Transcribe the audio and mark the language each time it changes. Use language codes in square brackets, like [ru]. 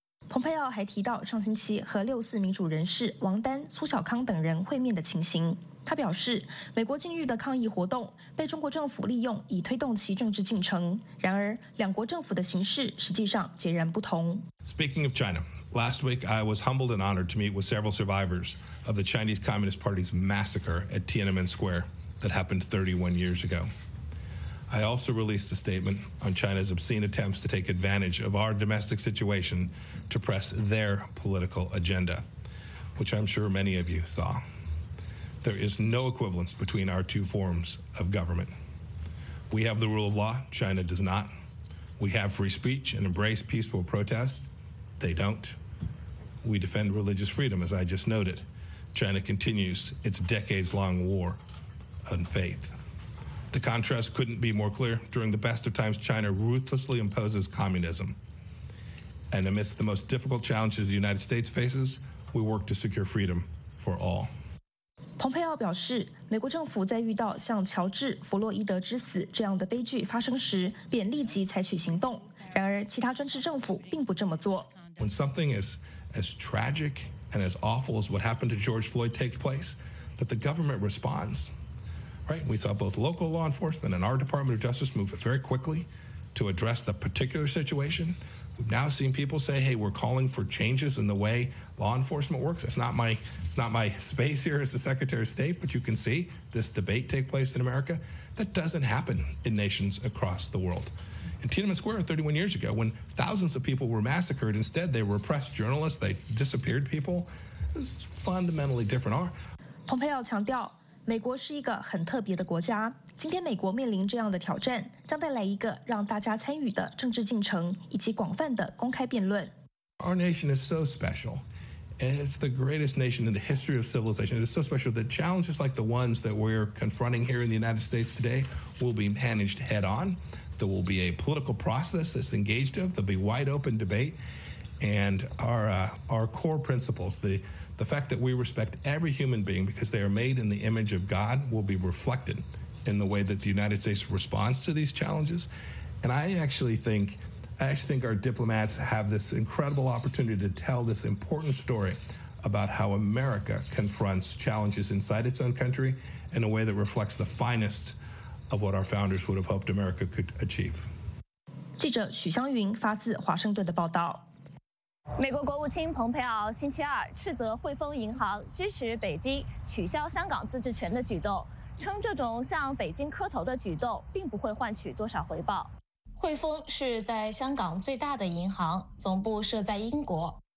[zh] 蓬佩奥还提到上星期和六四民主人士王丹、苏小康等人会面的情形。他表示，美国近日的抗议活动被中国政府利用以推动其政治进程。然而，两国政府的形势实际上截然不同。 [en] Speaking of China, last week I was humbled and honored to meet with several survivors of the Chinese Communist Party's massacre at Tiananmen Square that happened 31 years ago. I also released a statement on China's obscene attempts to take advantage of our domestic situation to press their political agenda, which I'm sure many of you saw. There is no equivalence between our two forms of government. We have the rule of law, China does not. We have free speech and embrace peaceful protest, they don't. We defend religious freedom, as I just noted. China continues its decades-long war on faith. The contrast couldn't be more clear. During the best of times, China ruthlessly imposes communism. And amidst the most difficult challenges the United States faces, we work to secure freedom for all. [zh] 蓬佩奥表示，美国政府在遇到像乔治·弗洛伊德之死这样的悲剧发生时，便立即采取行动。然而，其他专制政府并不这么做。 [en] When something is as tragic and as awful as what happened to George Floyd takes place, that the government responds, right? We saw both local law enforcement and our Department of Justice move very quickly to address the particular situation. We've now seen people say, "Hey, we're calling for changes in the way law enforcement works." It's not my space here as the Secretary of State, but you can see this debate take place in America. That doesn't happen in nations across the world. In Tiananmen Square 31 years ago, when thousands of people were massacred, instead they repressed journalists, they disappeared people. It's fundamentally different. [zh] Pompeo 强调，美国是一个很特别的国家。今天美国面临这样的挑战，将带来一个让大家参与的政治进程，以及广泛的公开辩论。 [en] Our nation is so special. And it's the greatest nation in the history of civilization. It's so special that challenges like the ones that we're confronting here in the United States today will be managed head on. There will be a political process that's engaged of. There'll be wide open debate. And our core principles, the fact that we respect every human being because they are made in the image of God will be reflected in the way that the United States responds to these challenges. And I actually think our diplomats have this incredible opportunity to tell this important story about how America confronts challenges inside its own country in a way that reflects the finest of what our founders would have hoped America could achieve. [zh] 记者许湘云发自华盛顿的报道。美国国务卿蓬佩奥星期二斥责汇丰银行支持北京取消香港自治权的举动，称这种向北京磕头的举动并不会换取多少回报。汇丰是在香港最大的银行，总部设在英国。